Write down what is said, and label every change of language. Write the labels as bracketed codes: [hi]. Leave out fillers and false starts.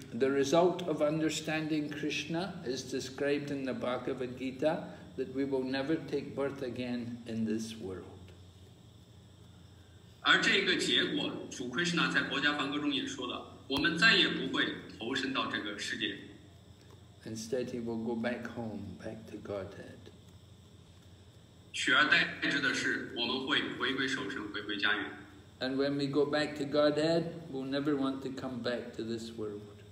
[en] The result of understanding Krishna is described in the Bhagavad Gita that we will never take birth again in this world. [zh] 而这个结果，主 Krishna 在《国家梵歌》中也说了，我们再也不会投身到这个世界。 [en] Instead, he will go back home, back to Godhead. [zh] 取而代之的是，我们会回归守身，回归家园。 [en] And when we go back to Godhead, we'll never want to come back to this world.